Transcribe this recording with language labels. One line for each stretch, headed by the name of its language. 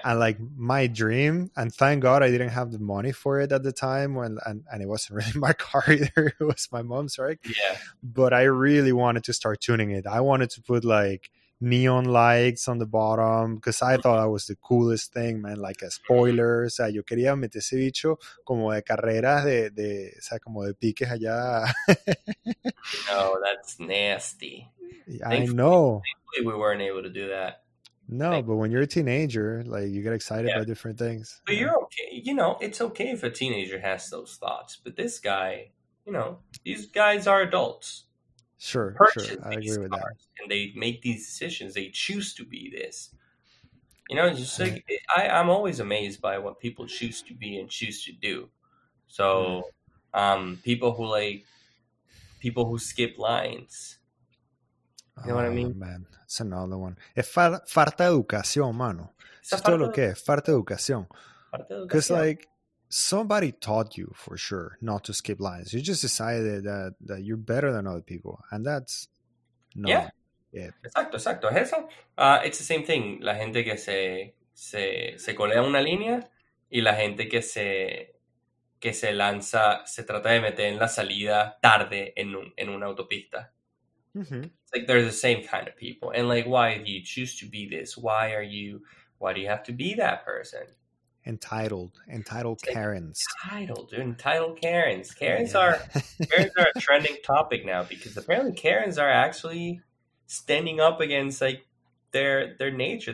English: And like my dream, and thank God I didn't have the money for it at the time when, and it wasn't really my car either. It was my mom's, right? Yeah. But I really wanted to start tuning it. I wanted to put like neon lights on the bottom because I thought that was the coolest thing, man. Like a spoiler.
Spanish: O sea, yo quería meter ese bicho como de carreras de o sea, como de piques allá.
English: No, that's nasty. I know. Thankfully, we weren't able to do that. No, thank but when you're a teenager, like you get excited by different things. But you're okay. You know, it's okay if a teenager has those thoughts. But this guy, you know, these guys are adults. Sure. I agree with that. And they make these decisions. They choose to be this. You know, just like I'm always amazed by what people choose to be and choose to do. So, people who skip lines. You know what I mean? Man, that's another one.
Spanish: Es falta educación, mano. Es todo lo que es. Falta educación.
English: Because, like, somebody taught you for sure not to skip lines. You just decided that you're better than other people. And that's not it.
Spanish: Exacto. Eso,
English: it's the same thing.
Spanish: La gente que se colea una línea y la gente que se lanza, se trata de meter en la salida tarde en una autopista. Mm-hmm.
English: It's like they're the same kind of people, and like, why do you choose to be this? Why are you? Why do you have to be that person? Entitled it's Karens. Like, entitled Karens. Karens are a trending topic now because apparently Karens are actually standing up against like their nature.